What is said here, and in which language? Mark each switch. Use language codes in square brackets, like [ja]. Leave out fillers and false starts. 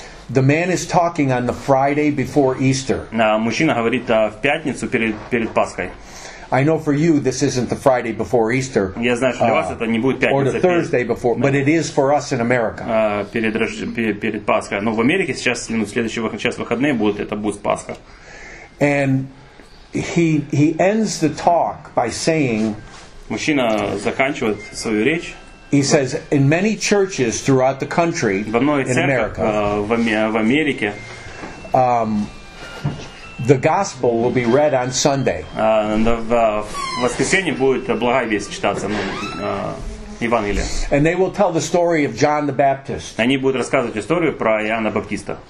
[en] The man is talking on the Friday before Easter. [ru] Мужчина говорит в пятницу перед Пасхой. [en] I know for you this isn't the Friday before Easter. [ru] Я знаю, что для вас это не будет пятница. [en] Or the Thursday before, but it is for us in America. [ru] Перед Пасхой. Но в Америке сейчас, ну, следующий час выходные будут, это будет Пасха. [en] And he ends the talk by saying. [ru] Мужчина заканчивает свою речь. [en] He says, in many churches throughout the country, in America, [ru] в Америке, [en] the gospel will be read on Sunday. [ru] В воскресенье будет благая весть читаться, Евангелие. [en] And they will tell the story of John the Baptist. [ru] Они будут рассказывать историю про Иоанна Баптиста.